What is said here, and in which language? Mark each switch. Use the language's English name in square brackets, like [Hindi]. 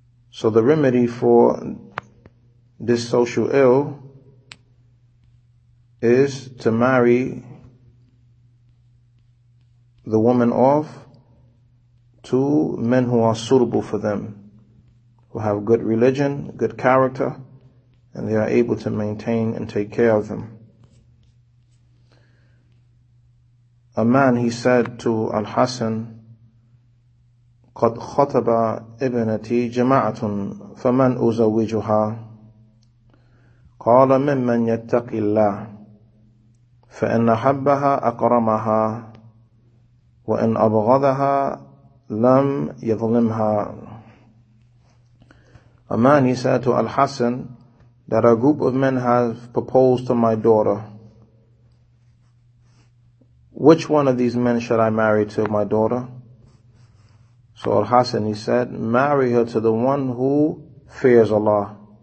[English] So the remedy for this social ill is to marry the woman off to men who are suitable for them, who have good religion, good character, and they are able to maintain and take care of them. A man, he said to Al-Hasan, [Arabic] قَدْ خَطَبَ إِبْنَتِي جَمَعَةٌ فَمَنْ أُزَوِّجُهَا قَالَ مِمَّنْ يَتَّقِ اللَّهِ فَإِنَّ حَبَّهَا أَقْرَمَهَا وَإِنْ أَبْغَضَهَا لَمْ يَظْلِمْهَا. [English] A man, he said to Al-Hasan, that a group of men have proposed to my daughter. Which one of these men should I marry to my daughter? So Al-Hasan, he said, marry her to the one who fears Allah.